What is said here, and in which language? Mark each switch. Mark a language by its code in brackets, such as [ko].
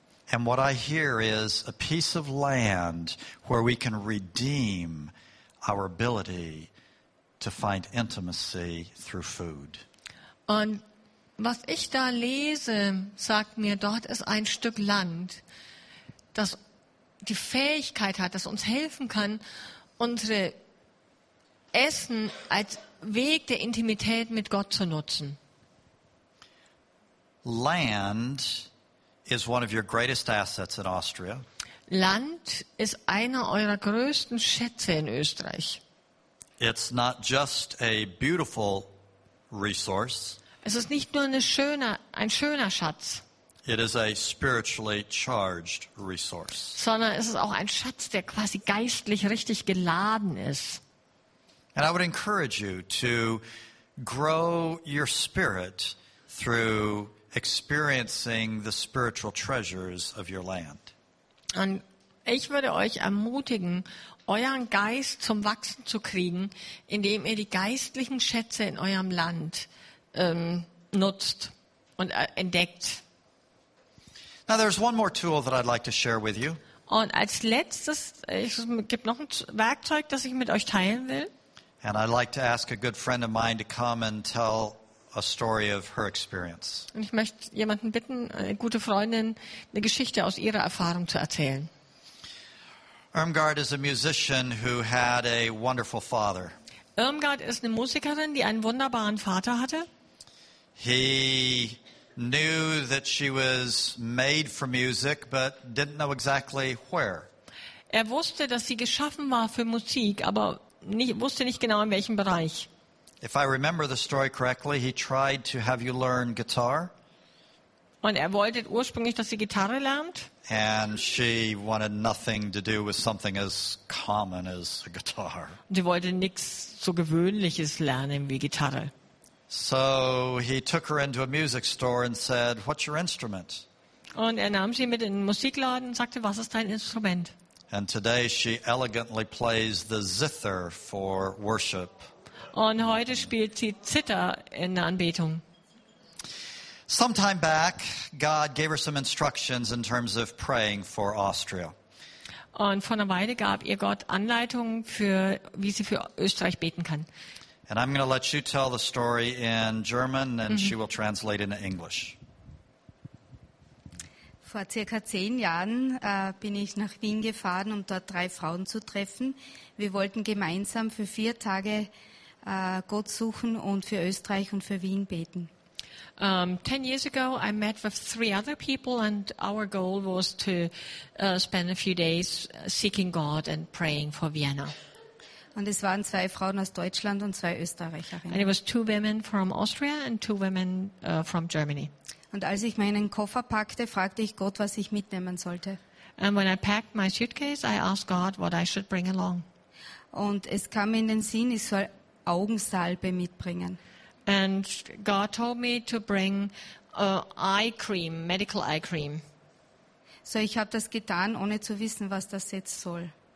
[en] And what I hear is a piece of land where we can redeem our ability to find intimacy through food. [de] Und was ich da lese, sagt mir, dort ist ein Stück Land, das die Fähigkeit hat, das uns helfen kann, unsere Essen als Weg der Intimität mit Gott zu nutzen. [en] Land is one of your greatest assets in Austria. [de] Land ist einer eurer größten Schätze in Österreich. [en] It's not just a beautiful resource. [de] Es ist nicht nur ein schöner Schatz. [en] It is a spiritually charged resource. [de] Sondern es ist auch ein Schatz, der quasi geistlich richtig geladen ist. [en] And I would encourage you to grow your spirit through experiencing the spiritual treasures of your land. [de] Und ich würde euch ermutigen, euren Geist zum Wachsen zu kriegen, indem ihr die geistlichen Schätze in eurem Land nutzt und entdeckt. [en] Now there's one more tool that I'd like to share with you. [de] Und als letztes, es gibt noch ein Werkzeug, das ich mit euch teilen will. [en] And I'd like to ask a good friend of mine to come and tell a story of her experience. [de] Und ich möchte jemanden bitten, eine gute Freundin, eine Geschichte aus ihrer Erfahrung zu erzählen. [en] Irmgard is a musician who had a wonderful father. [de] Irmgard ist eine Musikerin, die einen wunderbaren Vater hatte. [en] He knew that she was made for music, but didn't know exactly where. [de] Er wusste, dass sie geschaffen war für Musik, aber wusste nicht genau in welchem Bereich. [en] If I remember the story correctly, he tried to have you learn guitar. [de] Und er wollte ursprünglich, dass sie Gitarre lernt. [en] And she wanted nothing to do with something as common as a guitar. [de] Sie wollte nichts so Gewöhnliches lernen wie Gitarre. [en] So he took her into a music store and said, "What's your instrument?" [de] Und er nahm sie mit in den Musikladen und sagte, was ist dein Instrument? [en] And today she elegantly plays the zither for worship. [de] Und heute spielt sie Zither in der Anbetung. [en] Some time back, God gave her some instructions in terms of praying for Austria. [de] Und vor einer Weile gab ihr Gott Anleitungen für, wie sie für Österreich beten kann. [en] And I'm going to let you tell the story in German, and she will translate into English. [de] Vor circa 10 Jahren bin ich nach Wien gefahren, um dort 3 Frauen zu treffen. Wir wollten gemeinsam für 4 Tage Gott suchen und für Österreich und für Wien beten. [en] 10 years ago, I met with 3 other people, and our goal was to spend a few days seeking God and praying for Vienna. [de] Und es waren 2 Frauen aus Deutschland und 2 Österreicherinnen. [en] And it was 2 women from Austria and 2 women from Germany. [de] Und als ich meinen Koffer packte, fragte ich Gott, was ich mitnehmen sollte. [en] And when I packed my suitcase, I asked God what I should bring along. [de] Und es kam in den Sinn, ich soll Augensalbe mitbringen. [en] And God told me to bring eye cream, medical eye cream. [de] So ich habe das getan, ohne zu wissen, was das jetzt soll.